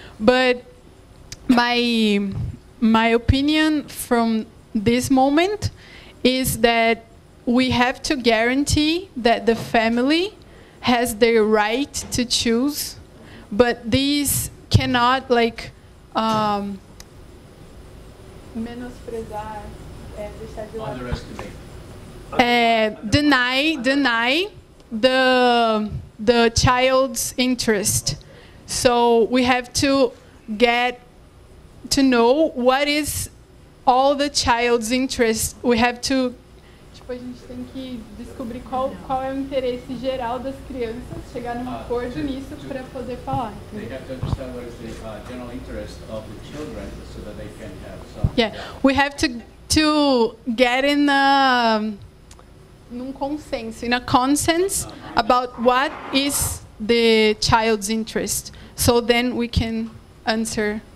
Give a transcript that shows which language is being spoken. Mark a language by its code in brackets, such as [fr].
[en] But my opinion from this moment is that we have to guarantee that the family has their right to choose, but these cannot deny the child's interest. So we have to get to know what is all the child's interest. We have to [pt] a gente tem que descobrir qual é o interesse geral das crianças, chegar num acordo nisso para poder falar. [en] They have to understand what is the general interest of the children so that they can have some. Yeah, we have to get in a consensus about what is the child's interest. So then we can answer